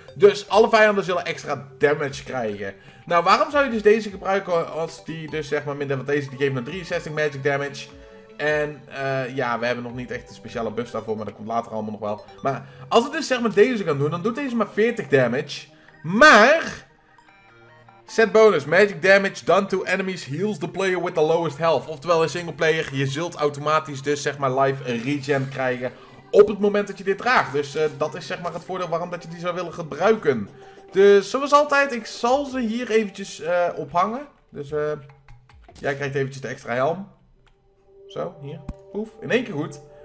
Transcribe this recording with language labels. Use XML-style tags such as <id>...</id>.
<nl>Dus alle vijanden zullen extra damage krijgen. Nou, waarom zou je dus deze gebruiken als die dus zeg maar minder... Want deze die geeft nou 63 magic damage. En ja, we hebben nog niet echt een speciale buff daarvoor, maar dat komt later allemaal nog wel. Maar als we dus zeg maar deze gaan doen, dan doet deze maar 40 damage. Maar... Set bonus.</nl> <en>Magic damage done to enemies heals the player with the lowest health.</en> <nl>Oftewel in single player, je zult automatisch dus zeg maar life regen krijgen op het moment dat je dit draagt. Dus dat is zeg maar het voordeel waarom dat je die zou willen gebruiken. Dus zoals altijd, ik zal ze hier eventjes ophangen. Dus jij krijgt eventjes de extra helm. Zo, hier. Poef. In één keer goed.</nl>